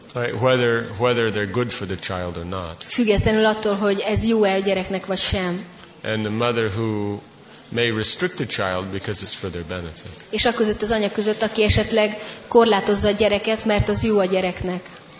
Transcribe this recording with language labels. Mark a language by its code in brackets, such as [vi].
[en] Right, whether they're good for the child or not. [hu] Függetlenül attól, hogy ez jó-e a gyereknek, vagy sem. [en] And the mother who may restrict the child because it's for their benefit. [hu] És a között az anya között, aki esetleg korlátozza a gyereket, mert az jó a gyereknek.